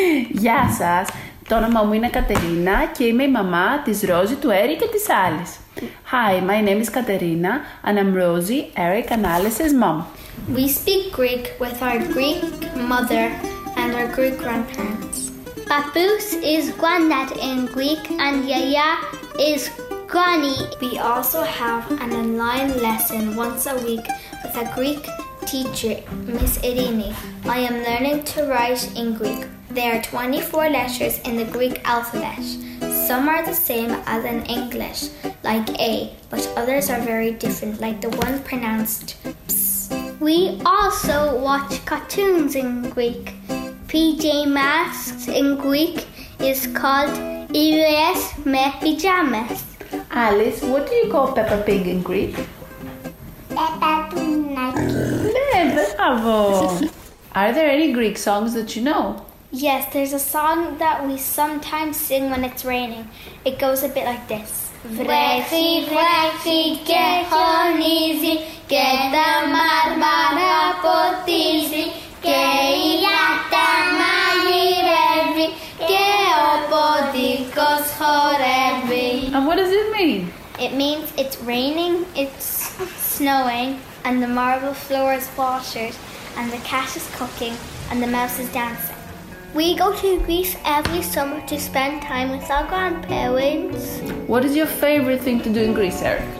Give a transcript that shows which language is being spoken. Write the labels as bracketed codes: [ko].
[el] Γεια σας, το όνομα μου είναι Κατερίνα και είμαι η μαμά της Ρόζη, του Έρη και της Άλης. [en] Hi, my name is Κατερίνα and I'm Rosie, Eric and Alice's mom. We speak Greek with our Greek mother and our Greek grandparents. Papus is granddad in Greek and Yaya is granny. We also have an online lesson once a week with a Greek teacher, Miss Irini. I am learning to write in Greek. There are 24 letters in the Greek alphabet. Some are the same as in English, like A, but others are very different, like the one pronounced ps. We also watch cartoons in Greek. PJ Masks in Greek is called Iris Me Pyjamas. Alice, what do you call Peppa Pig in Greek? Peppa Pig. Bravo! Are there any Greek songs that you know? Yes, there's a song that we sometimes sing when it's raining. It goes a bit like this. [el] Βρέχει, βρέχει και χωνίζει και τα μαρμάρα ποτίζει και η λάτα μαγειρεύει και ο ποντίκος χορεύει. [en] And what does it mean? It means it's raining, it's snowing, and the marble floor is watered, and the cat is cooking, and the mouse is dancing. We go to Greece every summer to spend time with our grandparents. What is your favorite thing to do in Greece, Eric?